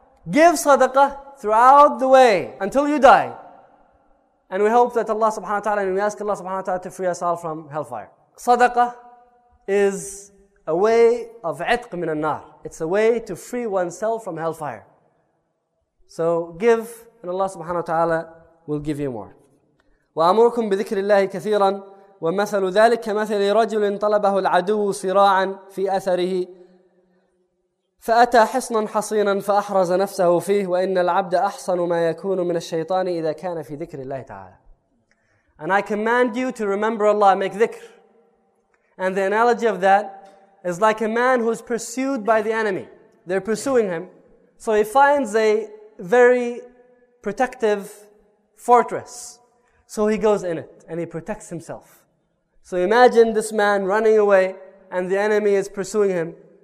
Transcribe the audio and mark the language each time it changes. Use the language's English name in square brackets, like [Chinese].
[English] Give sadaqah throughout the way until you die. And we hope that Allah subhanahu wa ta'ala, and we ask Allah subhanahu wa ta'ala to free us all from hellfire. Sadaqah is a way of itq min al-nar. It's a way to free oneself from hellfire. So give, and Allah subhanahu wa ta'ala will give you more. [Arabic] وَأَمُرُكُمْ بِذِكْرِ اللَّهِ كَثِيرًا وَمَثَلُ ذَلِكَ كَمَثَلِ رَجُلٍ طَلَبَهُ الْعَدُوُ صِرَاعًا فِي أَثَرِهِ فأتى حصنا حصينا فأحرز نفسه فيه وإن العبد أحصن ما يكون من الشيطان إذا كان في ذكر الله تعالى. [English] And I command you to remember Allah, make dhikr. And the analogy of that is like a man who is pursued by the enemy. They're pursuing him. So he finds a very protective fortress. So he goes in it and he protects himself. So imagine this man running away and the enemy is pursuing him.